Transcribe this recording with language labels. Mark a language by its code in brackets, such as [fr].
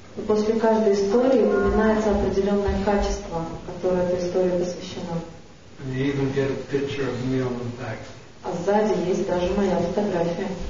[ru] И после каждой истории упоминается определенное качество, которое этой истории посвящено. [en] And you even get a picture of me on the back. [ru] А сзади есть даже моя фотография.